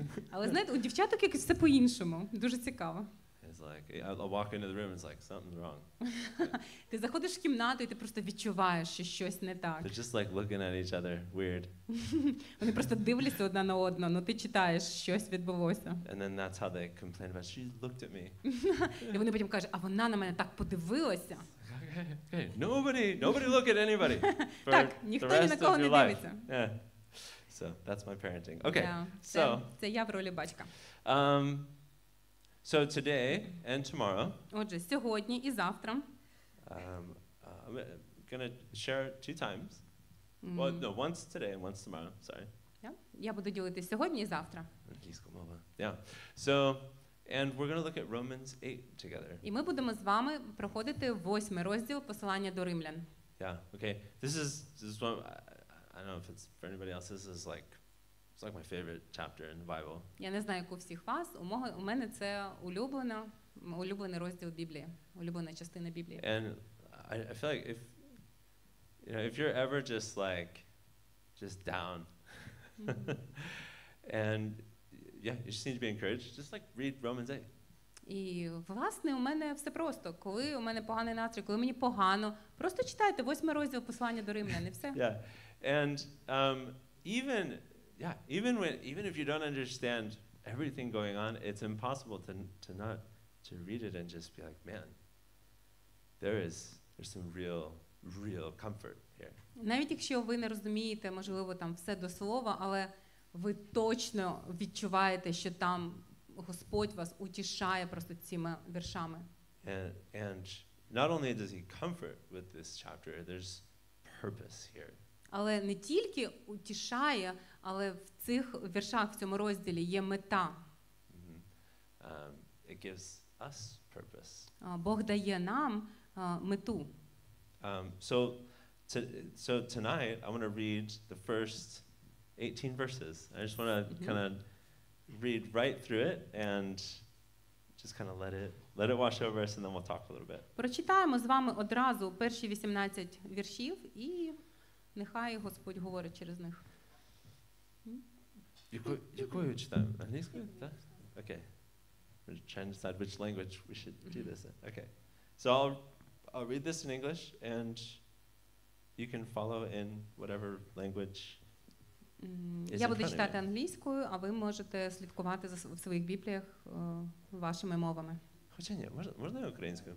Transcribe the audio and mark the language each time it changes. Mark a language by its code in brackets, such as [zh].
[uk] Але знаєте, у дівчаток якось це по-іншому, дуже цікаво. [en] It's like I walk into the room, it's like something's wrong. [uk] Ти заходиш в кімнату і ти просто відчуваєш, що щось не так. [en] They're just like looking at each other, weird. [uk] Вони просто дивляться одна на одну, але ти читаєш, щось відбулося. [en] And then that's how they complain about, she looked at me. [uk] І вони потім кажуть, а вона на мене так подивилася. [en] Okay, nobody look at anybody. [uk] Так, ніхто ні на кого не дивиться. [en] So that's my parenting. Okay. Yeah. So [uk] це я в ролі батька. [en] So today and tomorrow. [uk] Отже, сьогодні і завтра. [en] I'm gonna share two times. Well, no, once today and once tomorrow. Sorry. Yeah. [uk] Я буду ділити сьогодні і завтра. Англійською мовою. Yeah. [en] So and we're gonna look at Romans 8 together. [uk] І ми будемо з вами проходити восьмий розділ Послання до Римлян. [en] Yeah. Okay. This is one. I don't know if it's for anybody else. This is like, it's like my favorite chapter in the Bible. [uk] Я не знаю, як у всіх вас. У мене це улюблений розділ Біблії, улюблена частина Біблії. [en] And I feel like if, you know, if you're ever just like, just down, and yeah, you just need to be encouraged. Just like read Romans 8. [uk] І власне, у мене все просто. Коли у мене поганий настрій, коли мені погано, просто читайте восьмий розділ Послання до Римлян, і все. [en] Yeah. And even if you don't understand everything going on, it's impossible to not read it and just be like, man, there's some real comfort here. [uk] Навіть якщо ви не розумієте, можливо, там все до слова, але ви точно відчуваєте, що там Господь вас утішає просто цими віршами. [en] And not only does he comfort with this chapter, there's purpose here. [uk] Але не тільки утішає, але в цих віршах, в цьому розділі є мета. [en] Mm-hmm. It gives us purpose. [uk] Бог дає нам мету. [en] So tonight I want to read the first 18 verses. I just want to kind of read right through it and just kind of let it wash over us, and then we'll talk a little bit. [uk] Прочитаємо з вами одразу перші 18 віршів і нехай Господь говорить через них. Якою читаємо? Англійською? Так? Okay. [en] We're trying to decide which language we should do this in. Okay. So I'll read this in English and you can follow in whatever language. [uk] Я буду читати англійською, а ви можете слідкувати за в своїх бібліях вашими мовами. Хоча ні, можна українською?